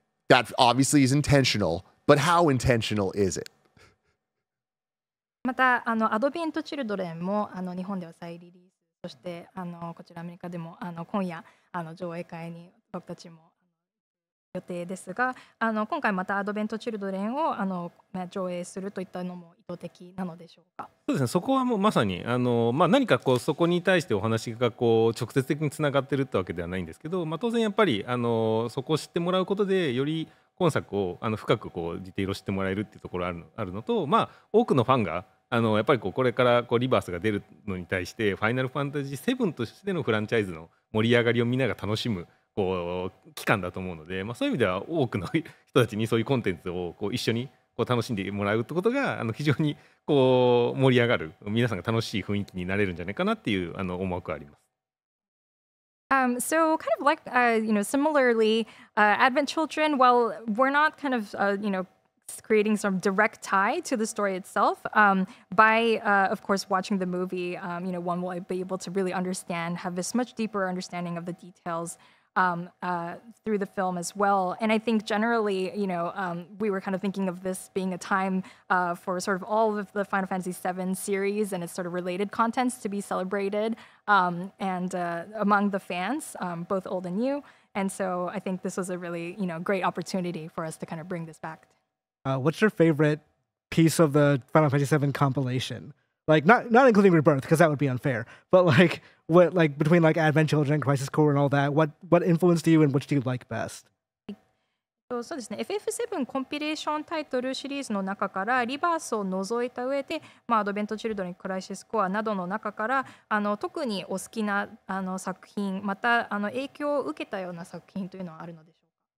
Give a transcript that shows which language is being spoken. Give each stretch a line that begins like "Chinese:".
English: That obviously is intentional, but how intentional is it?
Japanese: またあのアドベントチルドレンもあの日本では再リリース、そしてあのこちらアメリカでもあの今夜あの上映会に僕たちも予定ですが、あの今回またアドベントチルドレンをあの、まあ、上映するといったのも意図的なのでしょうか。そうですね、そこはもうまさにあの、まあ、何かこうそこに対してお話がこう直接的につながっているってわけではないんですけど、まあ、当然やっぱりあのそこを知ってもらうことでより今作をあの深くこうディテールを知ってもらえるっていうところあるのと、まあ、多くのファンがあのやっぱり これからこうリバースが出るのに対してファイナルファンタジー7としてのフランチャイズの盛り上がりをみんなが楽しむこう期間だと思うので、まあ、そういう意味では多くの人たちにそういうコンテンツをこう一緒にこう楽しんでもらうってことがあの非常にこう盛り上がる、皆さんが楽しい雰囲気になれるんじゃないかなっていうあの思惑があります。
English: So kind of like, you know, similarly, Advent Children, while we're not kind of, you know, creating some direct tie to the story itself, by, of course, watching the movie, you know, one will be able to really understand, have this much deeper understanding of the details through the film as well. And I think generally, you know, we were kind of thinking of this being a time for sort of all of the Final Fantasy VII series and its sort of related contents to be celebrated and among the fans, both old and new. And so I think this was a really, you know, great opportunity for us to kind of bring this back. What's your favorite piece of the Final Fantasy VII compilation? Like, not including Rebirth, because that would be unfair, but like... What, like between like Advent Children, Crisis Core, and all that, what influenced you and which do you like best?
Japanese: So, ですね、FF7 コンピレーションタイトルシリーズの中からリバースを除いた上で、まあ、アドベントチルドレン、クライシスコアなどの中からあの特にお好きなあの作品、またあの影響を受けたような作品というのはあるのでしょう